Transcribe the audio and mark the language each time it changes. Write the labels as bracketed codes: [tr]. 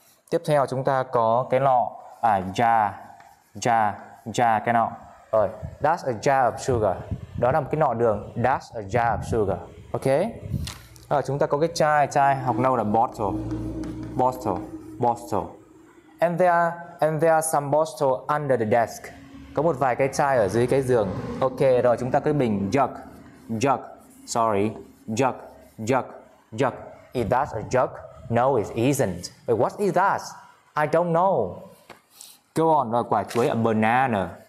[vi] Tiếp theo chúng ta có cái lọ jar. Jar cái lọ. Rồi, [en] that's a jar of sugar. [vi] Đó là một cái lọ đường. [en] That's a jar of sugar. Ok. [vi] Rồi chúng ta có cái chai, chai học lâu là bottle. [en] Bottle. Bottle. And there are some bottles under the desk. [vi] Có một vài cái chai ở dưới cái giường. Ok, rồi chúng ta cứ bình jug. [en] Jug. Sorry. Jug. Jug. Jug. Is that a jug? No, it isn't. But what is that? I don't know. Go on, [vi] rồi quả chuối. [en] A banana.